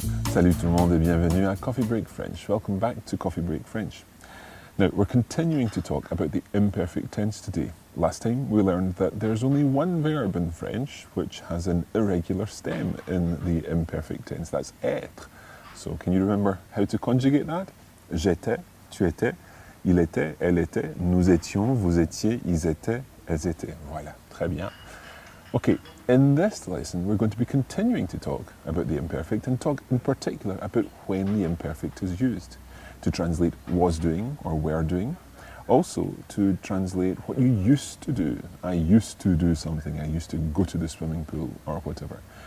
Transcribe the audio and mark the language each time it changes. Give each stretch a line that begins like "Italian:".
French: Salut tout le monde et bienvenue à Coffee Break French.
English: Welcome back to Coffee Break French. Now, we're continuing to talk about the imperfect tense today. Last time, we learned that there's only one verb in French which has an irregular stem in the imperfect tense. That's être. So, can you remember how to conjugate that?
French: J'étais, tu étais, il était, elle était, nous étions, vous étiez, ils étaient, elles étaient. Voilà. Très bien.
English: Okay, in this lesson, we're going to be continuing to talk about the imperfect and talk in particular about when the imperfect is used. To translate was doing or were doing. Also, to translate what you used to do. I used to do something. I used to go to the swimming pool or whatever.